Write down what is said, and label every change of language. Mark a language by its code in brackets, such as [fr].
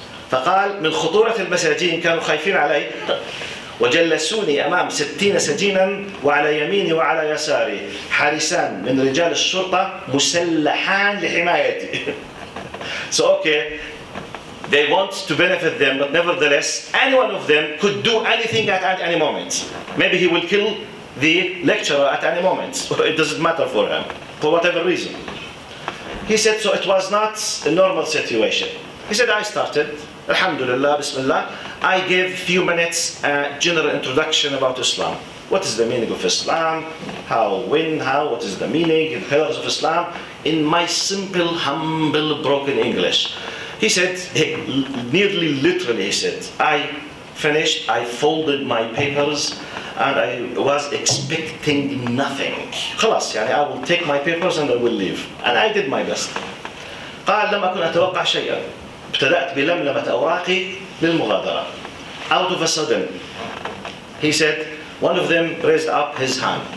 [ar] فقال من خطورة المساجين كانوا خايفين علي وجلسوني أمام 60 سجينا وعلى يميني وعلى يساري حارسان من رجال الشرطة مسلحان لحمايتي. [en] So okay, they want to benefit them, but nevertheless, any one of them could do anything at any moment. Maybe he will kill the lecturer at any moment. It doesn't matter for him, for whatever reason. He said, so it was not a normal situation. He said, I started, alhamdulillah, bismillah. I gave a few minutes a general introduction about Islam. What is the meaning of Islam? How, when, how, what is the meaning and pillars of Islam? In my simple, humble, broken English. He said, nearly literally, he said, I finished, I folded my papers, and I was expecting nothing. [ar] خلاص يعني [en] I will take my papers and I will leave. And I did my best. [ar] قال لم أكن أتوقع شيئا. ابتدأت بلملمة أوراقي للمغادرة. [en] Out of a sudden, he said, one of them raised up his hand.